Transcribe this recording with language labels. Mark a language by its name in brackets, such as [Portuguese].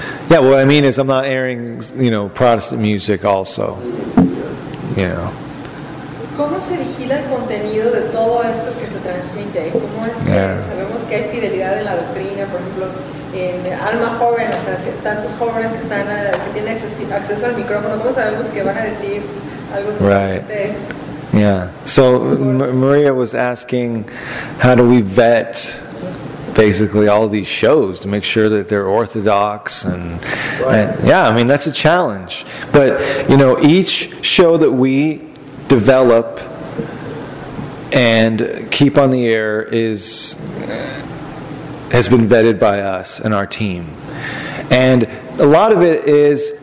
[English] Yeah, what I mean is I'm not airing, you know, Protestant music also, you know. [Spanish] ¿Cómo se vigila el contenido de todo esto que se transmite? ¿Cómo es que sabemos que hay fidelidad en la doctrina, por ejemplo, en Alma Joven, o sea, tantos jóvenes que están que tienen acceso al micrófono, ¿cómo sabemos que van a decir algo [English] right? Yeah. So Maria was asking, how do we vet basically all these shows to make sure that they're orthodox and, right. And yeah, I mean, that's a challenge. But, you know, each show that we develop and keep on the air has been vetted by us and our team. And a lot of it is